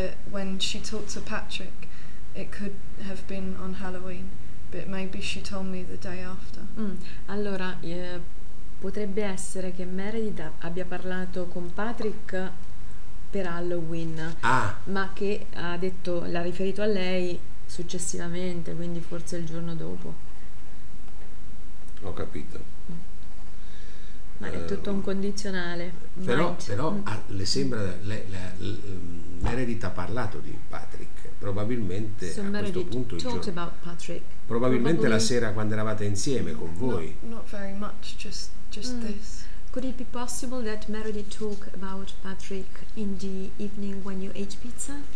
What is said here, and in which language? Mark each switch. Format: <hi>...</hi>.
<en>When she talked to Patrick, it could have been on Halloween. But maybe she told me the day after.</en> <it>Allora, potrebbe essere che Meredith abbia parlato con Patrick per Halloween, ma che l'ha riferito a lei successivamente, quindi forse il giorno dopo. Ho capito. Ma è tutto un condizionale. Le sembra Meredith ha parlato di Patrick. Probabilmente</it> <en>so</en> <it>a</it> <en>Meredith</en> <it>questo punto</it> <en>talked about Patrick.</en> <it>Probabilmente la sera quando eravate insieme con voi.</it> <en>Not very much, just this. Could it be possible that Meredith talked about Patrick in the evening when you ate pizza?</en>